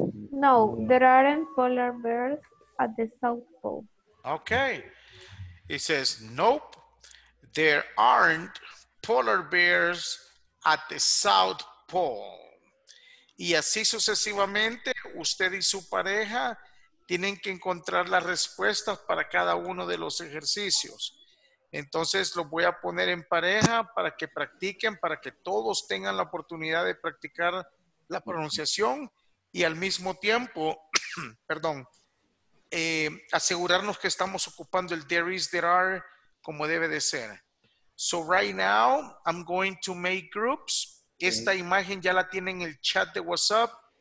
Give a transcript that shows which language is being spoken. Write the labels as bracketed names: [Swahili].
[English] No, there aren't polar bears at the South Pole. Okay. It says, nope, there aren't polar bears at the South Pole. [Spanish] Y así sucesivamente, usted y su pareja tienen que encontrar las respuestas para cada uno de los ejercicios. Entonces, los voy a poner en pareja para que practiquen, para que todos tengan la oportunidad de practicar la pronunciación y al mismo tiempo, perdón, asegurarnos que estamos ocupando el [English] there is, there are, [Spanish] como debe de ser. [English] So right now, I'm going to make groups. [Spanish] Esta imagen ya la tienen en el chat de WhatsApp.